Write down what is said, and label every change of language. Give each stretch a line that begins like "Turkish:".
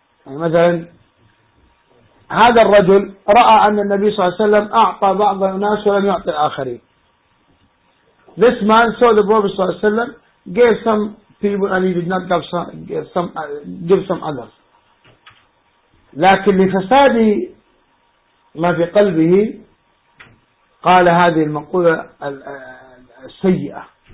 Arabic: يعني مثلا هذا الرجل رأى أن النبي صلى الله عليه وسلم أعطى بعض الناس ولم يعطي الآخرين.
English: This man saw the Prophet صلى الله عليه وسلم gave some people and he did not give some others.
Arabic: لكن لفساد ما في قلبه قال هذه المقولة السيئة.